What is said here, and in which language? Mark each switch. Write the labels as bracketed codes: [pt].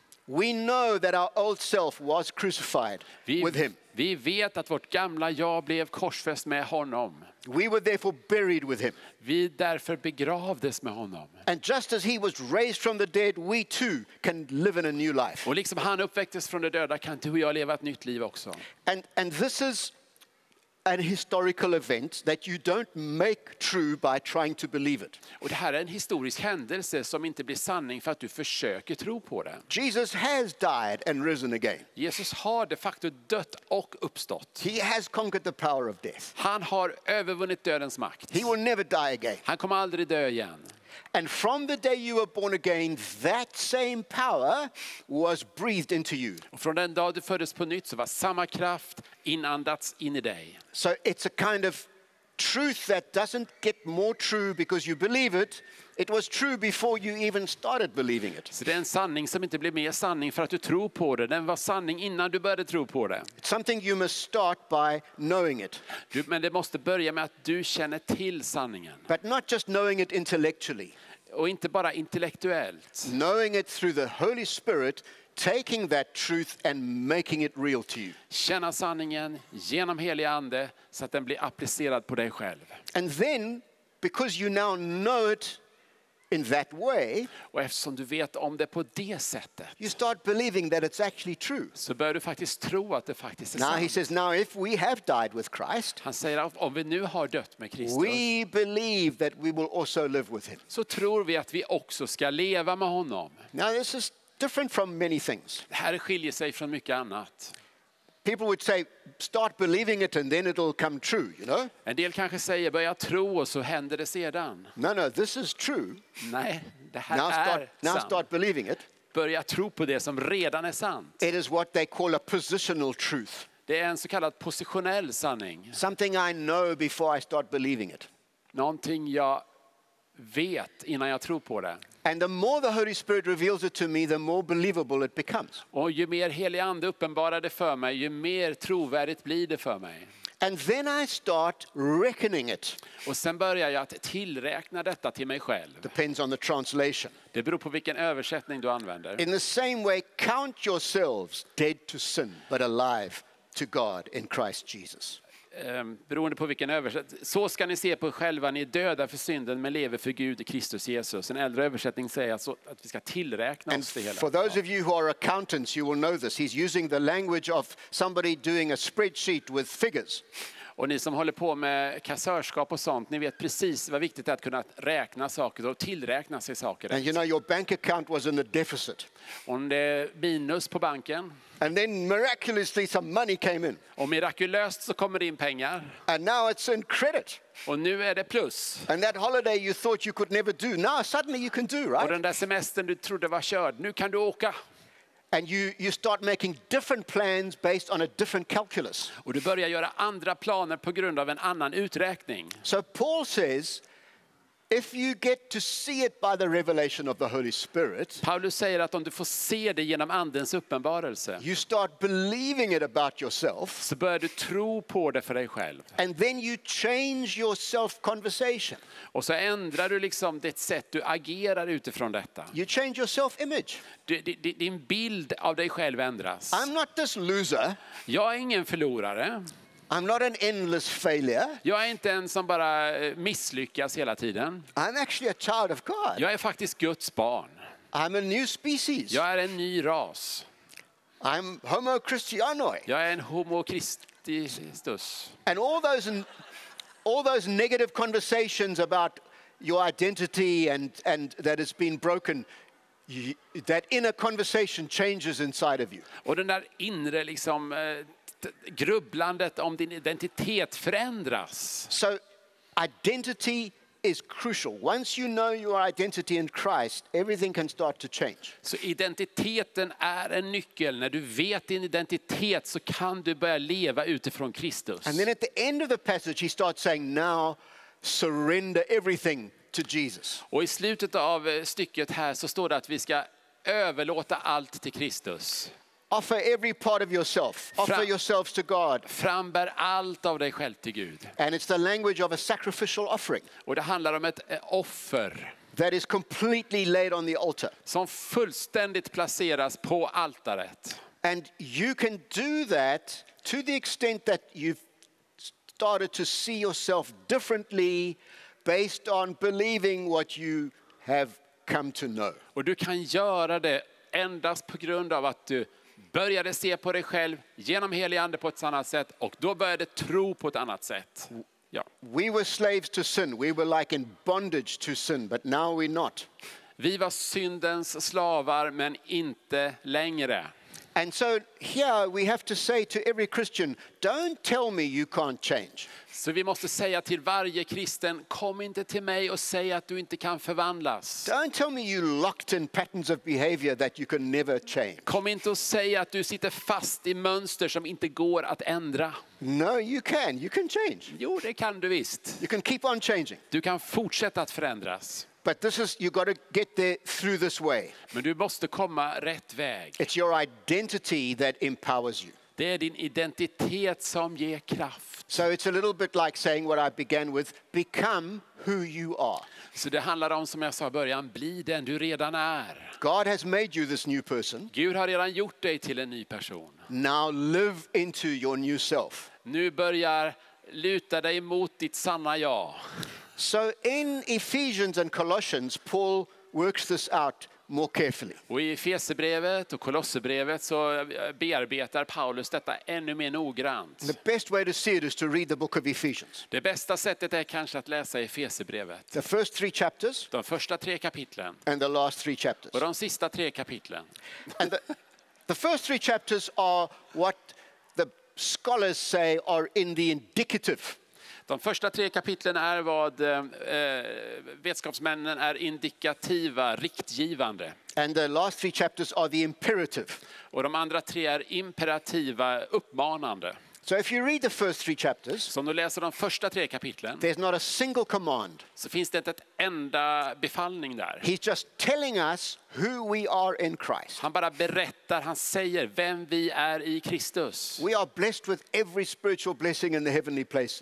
[en] We know that our old self was crucified with him. [sv] Vi vet att vårt gamla jag blev korsfäst med honom. [en] We were therefore buried with him. [sv] Vi därför begravdes med honom. [en] And just as he was raised from the dead, we too can live in a new life. [sv] Och liksom han uppväcktes från de döda kan du och jag leva ett nytt liv också. [en] And this is an historical event that you don't make true by trying to believe it. [sv] Och det här är en historisk händelse som inte blir sanning för att du försöker tro på det. [en] Jesus has died and risen again. [sv] Jesus har de facto dött och uppstått. [en] He has conquered the power of death. [sv] Han har övervunnit dödens makt. [en] He will never die again. [sv] Han kommer aldrig dö igen. [en] And from the day you were born again, that same power was breathed into you. [sv] Från den dag du föddes på nytt så var samma kraft inandats in I dig. [en] So it's a kind of truth that doesn't get more true because you believe it. It was true before you even started believing it. [sv] Så det är en sanning som inte blir mer sanning för att du tror på det. Den var sanning innan du började tro på det. [en] It's something you must start by knowing it. [sv] Men det måste börja med att du känner till sanningen. [en] But not just knowing it intellectually. [sv] Och inte bara intellektuellt. [en] Knowing it through the Holy Spirit, taking that truth and making it real to you. [sv] Känna sanningen genom helig ande så att den blir applicerad på dig själv. [en] And then because you now know it in that way, [sv] och eftersom du vet om det på det sättet, [en] you start believing that it's actually true. [sv] Så börjar du faktiskt tro att det faktiskt är [en] now [sv] sant. [en] He says, now if we have died with Christ, [sv] han säger att om vi nu har dött med Kristus, [en] we believe that we will also live with him. [sv] Så tror vi att vi också ska leva med honom. [en] Now this is different from many things. [sv] Det här skiljer sig från mycket annat. [en] People would say, start believing it and then it'll come true, you know? [sv] En del kanske säger, börja tro och så händer det sedan. [en] No, no, this is true. [sv] Nej, det här [en] now [sv] är [en] start, [sv] sant. [en] Now start believing it. [sv] Börja tro på det som redan är sant. [en] It is what they call a positional truth. [sv] Det är en så kallad positionell sanning. [en] Something I know before I start believing it. [sv] Någonting jag vet innan jag tror på det. [en] And the more the Holy Spirit reveals it to me, the more believable it becomes. [sv] Och ju mer helig ande uppenbarar det för mig, ju mer trovärdigt blir det för mig. [en] And then I start reckoning it. [sv] Och sen börjar jag att tillräkna detta till mig själv. [en] Depends on the translation. [sv] Det beror på vilken översättning du använder. [en] In the same way, count yourselves dead to sin, but alive to God in Christ Jesus. [sv] Beroende på vilken översättning. Så ska ni se på själva, ni är döda för synden men lever för Gud i Kristus Jesus. En äldre översättning säger alltså att vi ska tillräkna [en] and [sv] oss det hela. [en] For those of you who are accountants, you will know this. He's using the language of somebody doing a spreadsheet with figures. [sv] Och ni som håller på med kassörskap och sånt, ni vet precis vad viktigt det är att kunna räkna saker och tillräkna sig saker. [en] And you know your bank account was in the deficit. [sv] Och det är minus på banken. [en] And then miraculously some money came in. [sv] Och mirakulöst så kommer det in pengar. [en] And now it's in credit. [sv] Och nu är det plus. [en] And that holiday you thought you could never do, now suddenly you can do, right? [sv] Och den där semestern du trodde var körd, nu kan du åka. [en] And you start making different plans based on a different calculus. [sv] Och du börjar göra andra planer på grund av en annan uträkning. [en] So Paul says, if you get to see it by the revelation of the Holy Spirit, [sv] Paulus säger att om du får se det genom andens uppenbarelse, [en] you start believing it about yourself, [sv] så börjar du tro på det för dig själv. [en] And then you change your self-conversation. [sv] Och så ändrar du liksom det sätt du agerar utifrån detta. [en] You change your self-image. [sv] Din bild av dig själv ändras. [en] I'm not this loser. [sv] Jag är ingen förlorare. [en] I'm not an endless failure. [sv] Jag är inte en som bara misslyckas hela tiden. [en] I'm actually a child of God. [sv] Jag är faktiskt Guds barn. [en] I'm a new species. [sv] Jag är en ny ras. [en] I'm homo Christianoi. [sv] Jag är en homo Christus. [en] And all those negative conversations about your identity and that has been broken, that inner conversation changes inside of you. [sv] Och den där inre liksom grubblandet om din identitet förändras. [en] So identity is crucial. Once you know your identity in Christ, everything can start to change. [sv] Så identiteten är en nyckel. När du vet din identitet så kan du börja leva utifrån Kristus. [en] And then at the end of the passage he starts saying, now surrender everything to Jesus. [sv] Och i slutet av stycket här så står det att vi ska överlåta allt till Kristus. [en] Offer every part of yourself. Offer yourselves to God. [sv] Frambär allt av dig själv till Gud. [en] And it's the language of a sacrificial offering. [sv] Och det handlar om ett offer. [en] That is completely laid on the altar. [sv] Som fullständigt placeras på altaret. [en] And you can do that to the extent that you've started to see yourself differently based on believing what you have come to know. [sv] Och du kan göra det endast på grund av att du började se på dig själv genom helig ande på ett annat sätt och då började tro på ett annat sätt. Ja. [en] We were slaves to sin. We were like in bondage to sin, but now we're not. [sv] Vi var syndens slavar men inte längre. [en] And so here we have to say to every Christian, don't tell me you can't change. [sv] Så vi måste säga till varje kristen, kom inte till mig och säg att du inte kan förvandlas. [en] Don't tell me you locked in patterns of behavior that you can never change. [sv] Kom inte och säg att du sitter fast i mönster som inte går att ändra. [en] No, you can. You can change. [sv] Jo, det kan du visst. [en] You can keep on changing. [sv] Du kan fortsätta att förändras. [en] But this is, you got to get there through this way. [sv] Men du måste komma rätt väg. [en] It's your identity that empowers you. [sv] Det är din identitet som ger kraft. [en] So it's a little bit like saying what I began with, become who you are. [sv] Så det handlar om som jag sa i början, bli den du redan är. [en] God has made you this new person. [sv] Gud har redan gjort dig till en ny person. [en] Now live into your new self. [sv] Nu börjar luta dig mot ditt sanna jag. [en] So in Ephesians and Colossians, Paul works this out more carefully. [sv] Och i Efesebrevet och Kolosserbrevet så bearbetar Paulus detta ännu mer noggrant. [en] The best way to see it is to read the book of Ephesians. [sv] Det bästa sättet är kanske att läsa Efesebrevet. [en] The first three chapters. [sv] De första tre kapitlen. [en] And the last three chapters. [sv] Och de sista tre kapitlen. [en] And the first three chapters are what the scholars say are in the indicative. [sv] De första tre kapitlen är vad vetenskapsmännen är indikativa, riktgivande. [en] And the last three chapters are the imperative. [sv] Och de andra tre är imperativa, uppmanande. [en] So if you read the first three chapters, [sv] så om du läser de första tre kapitlen, [en] there's not a single command. [sv] Så finns det inte ett enda befallning där. [en] He's just telling us who we are in Christ. [sv] Han bara berättar, han säger vem vi är i Kristus. [en] We are blessed with every spiritual blessing in the heavenly places.